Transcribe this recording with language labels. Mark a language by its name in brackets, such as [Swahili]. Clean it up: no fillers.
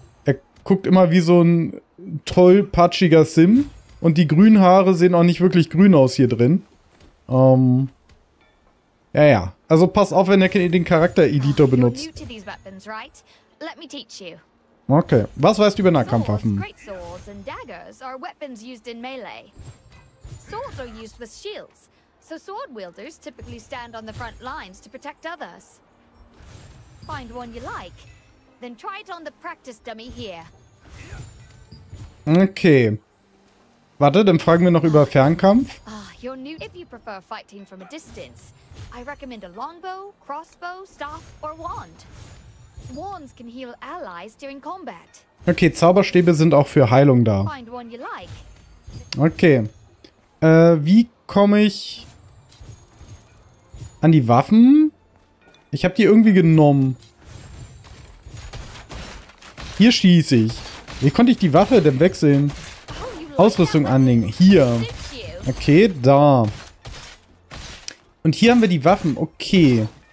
[German] Er guckt immer wie so ein tollpatschiger Sim. Und die grünen Haare sehen auch nicht wirklich grün aus hier drin. Ja, ja. Also pass auf, wenn er den Charakter-Editor benutzt. [English] Let me teach you. [German] Okay, was weißt du über Nahkampfwaffen? [English] Greatswords and daggers are weapons used in melee. Swords are used with shields, so sword wielders typically stand on the front lines to protect others. Find one you like, then try it on the practice dummy here. Okay. [German] Warte, dann fragen wir noch über Fernkampf. [English] You're new if you prefer fighting from a distance. I recommend a longbow, crossbow, staff or wand. wands can heal allies during combat. [German] Okay, Zauberstäbe sind auch für Heilung da. Okay. Wie komme ich an die Waffen? Ich habe die irgendwie genommen. Hier schieße ich. Wie konnte ich die Waffe denn wechseln? Ausrüstung anlegen. Hier. Okay, da. Und hier haben wir die Waffen. Okay.